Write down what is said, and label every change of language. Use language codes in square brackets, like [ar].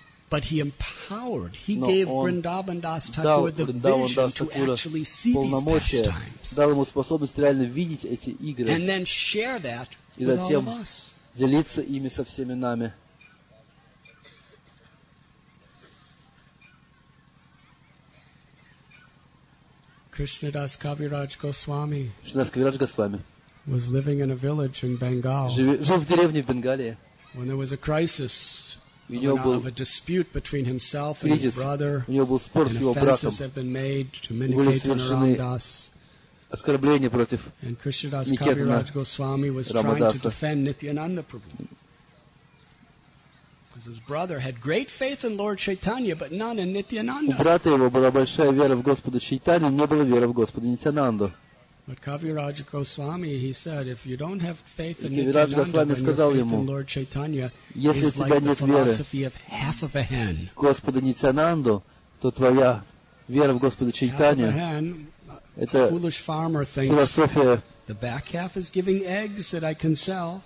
[en] but he empowered, he gave Vrindavan Das Thakur the vision to actually see these pastimes. [ru] Дал ему способность реально видеть эти игры. [en] And then share that with all of us. [ru] И затем делиться ими со всеми нами. Кришнадас Кавирадж Госвами. Кришнадас Кавирадж Госвами. [en] Was living in a village in Bengal. [ru] Жил в деревне в Бенгалии. [en] When there was a crisis, [ru] у него был [en] of a dispute between himself [ru] кризис. [en] And his brother, [ru] у него был спор с его [en] and [ru] братом. [en] Offenses have been made to Minikethan Ramdas. [ru] Оскорбление против [en] and Krishnadas Kaviraj Goswami was Ramadasa. Trying to defend Nityananda Prabhu. Because his brother had great faith in Lord Chaitanya, but none in Nityananda. [ru] У брата его была большая вера в Господа Чайтанью, не было веры в Господа Нитьянанду. [en] But Kaviraj Goswami, he said, if you don't have faith in Nityananda, then your faith in Lord Chaitanya is like the philosophy of half of a hen. [ru] Господа Нитьянанду, то твоя вера в Господа Чайтанья, это [en] foolish farmer thinks the back half is giving eggs that I can sell.